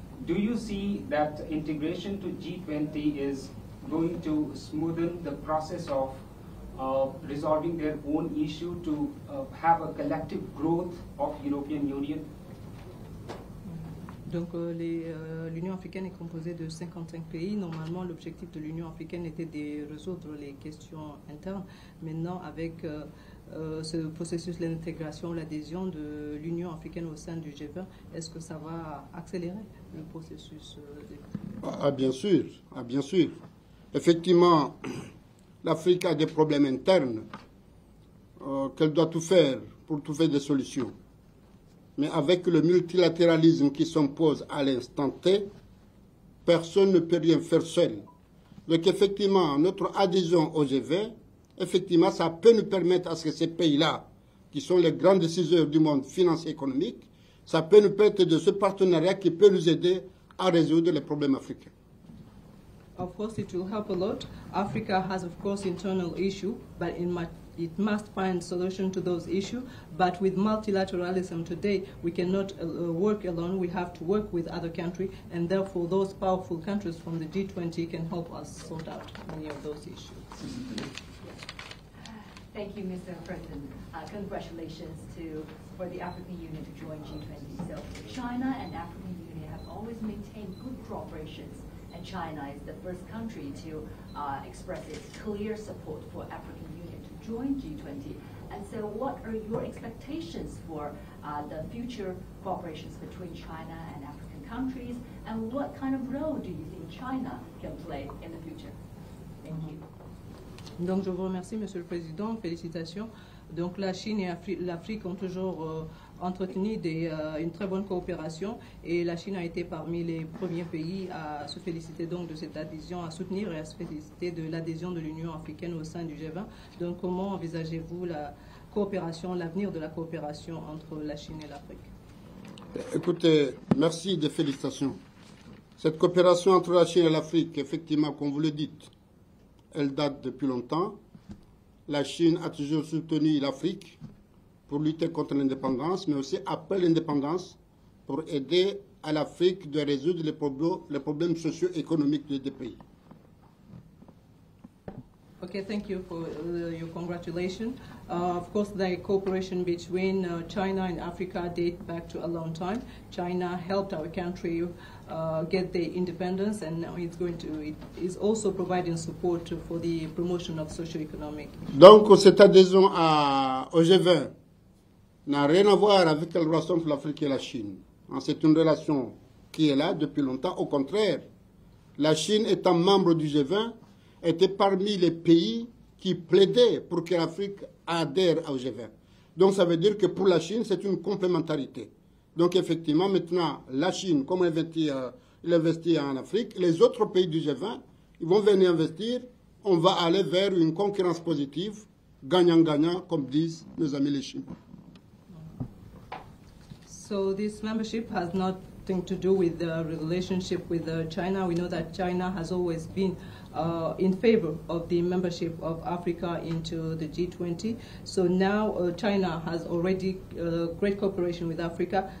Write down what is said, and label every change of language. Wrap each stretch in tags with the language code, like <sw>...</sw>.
<en>Do you see that integration to G20 is going to smoothen the process of resolving their own issue to have a collective growth of European Union?</en> <fr>Donc l'Union africaine est composée de 55 pays. Normalement, l'objectif de l'Union africaine était de résoudre les questions internes. Maintenant, avec ce processus d'intégration, l'adhésion de l'Union africaine au sein du G20, est-ce que ça va accélérer le processus Bien sûr. Effectivement, l'Afrique a des problèmes internes qu'elle doit tout faire pour trouver des solutions. Mais avec le multilatéralisme qui s'impose à l'instant T, personne ne peut rien faire seul. Donc effectivement, notre adhésion au G20, effectivement, ça peut nous permettre à ce que ces pays-là, qui sont les grands décideurs du monde financier et économique, ça peut nous permettre de ce partenariat qui peut nous aider à résoudre les problèmes africains.</fr> <en>Of course, it will help a lot. Africa has, of course, internal issue, but it must find solution to those issues. But with multilateralism today, we cannot work alone. We have to work with other countries, and therefore, those powerful countries from the G20 can help us sort out many of those issues. Thank you, Mr. President. Congratulations for the African Union to join G20. So, China and African Union have always maintained good cooperation. And China is the first country to express its clear support for African Union to join G20. And so what are your expectations for the future cooperations between China and African countries? And what kind of role do you think China can play in the future? Thank you.</en> <fr>Donc je vous remercie, Monsieur le Président. Félicitations. Donc la Chine et l'Afrique ont toujours entretenu une très bonne coopération et la Chine a été parmi les premiers pays à se féliciter donc de cette adhésion, à soutenir et à se féliciter de l'adhésion de l'Union africaine au sein du G20. Donc comment envisagez-vous la coopération, l'avenir de la coopération entre la Chine et l'Afrique? Écoutez, merci des félicitations. Cette coopération entre la Chine et l'Afrique, effectivement, comme vous le dites, elle date depuis longtemps. La Chine a toujours soutenu l'Afrique pour lutter contre l'indépendance, mais aussi après l'indépendance, pour aider à l'Afrique de résoudre les problèmes socio-économiques des pays.</fr> <en>OK, thank you for your congratulations. Of course, the cooperation between China and Africa date back to a long time. China helped our country get the independence, and now it's going to, it is also providing support for the promotion of socio-economic.</en> <fr>Donc, cette adhésion au G20 n'a rien à voir avec la relation entre l'Afrique et la Chine. C'est une relation qui est là depuis longtemps. Au contraire, la Chine étant membre du G20, était parmi les pays qui plaidaient pour que l'Afrique adhère au G20. Donc ça veut dire que pour la Chine, c'est une complémentarité. Donc effectivement, maintenant, la Chine, comme elle investit en Afrique, les autres pays du G20, ils vont venir investir, on va aller vers une concurrence positive, gagnant-gagnant, comme disent nos amis les Chinois.</fr> <en>So this membership has nothing to do with the relationship with China. We know that China has always been in favor of the membership of Africa into the G20. So now China has already great cooperation with Africa.</en>